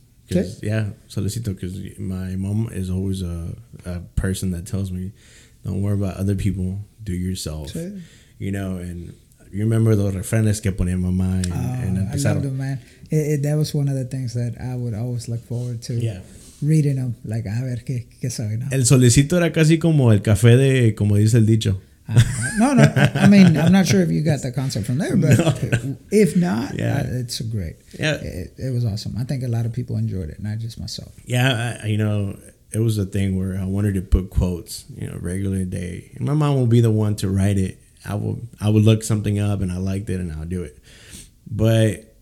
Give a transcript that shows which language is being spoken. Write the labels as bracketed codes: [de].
[en] Solecito, because my mom is always a person that tells me, don't worry about other people, do yourself. [es] Sí. [en] You know, and you remember the refrenes [es] que ponía mamá? [en] I loved them, man. That was one of the things that I would always look forward to. Yeah. Reading them. Like, [es] a ver, ¿qué soy, no? El solecito era casi como el café de, como dice el dicho. No. [en] I mean, I'm not sure if you got the concept from there, but if not, it's great. Yeah. It was awesome. I think a lot of people enjoyed it, not just myself. Yeah, you know, it was a thing where I wanted to put quotes, you know, regular day. My mom will be the one to write it. I would look something up, and I liked it, and I'll do it. But